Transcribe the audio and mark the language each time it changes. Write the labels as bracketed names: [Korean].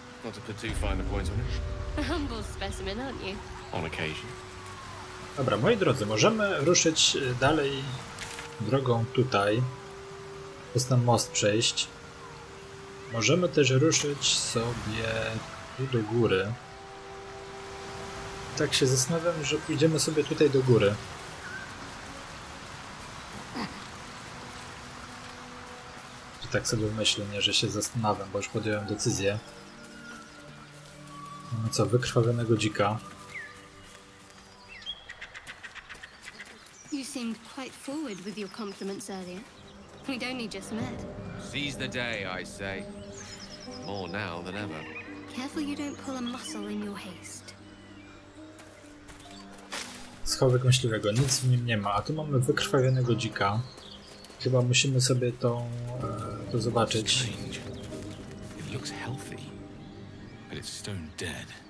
[English] Not to put too fine a point on it. Humble specimen, aren't you? On occasion. [Polish] Dobra, moi drodzy, możemy ruszyć dalej drogą tutaj. Przez ten most przejść. Możemy też ruszyć sobie tu do góry. Tak się zastanawiam, że pójdziemy sobie tutaj do góry. I tak sobie myślę, nie, że się zastanawiam, bo już podjąłem decyzję. No co, wykrwawionego dzika. [English] seemed quite forward with your compliments earlier. We'd only just met. Seize the day, I say. More now than ever. Careful you don't pull a muscle in your haste. [Polish] Schowek myśliwego, nic w nim nie ma. A tu mamy wykrwawionego dzika. Chyba musimy sobie to zobaczyć. [English] It looks healthy, but it's stone dead.